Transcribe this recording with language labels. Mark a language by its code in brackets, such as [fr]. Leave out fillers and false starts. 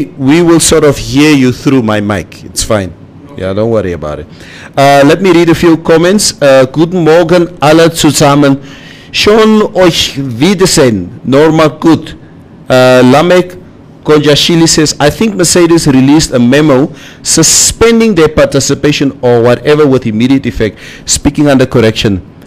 [en] We will sort of hear you through my mic. It's fine. Yeah, don't worry about it. Let me read a few comments. [de] Guten Morgen alle zusammen. Schön euch wiedersehen. Normal gut. Lamek [en] Konja Shili says, I think Mercedes released a memo suspending their participation or whatever with immediate effect. Speaking under correction.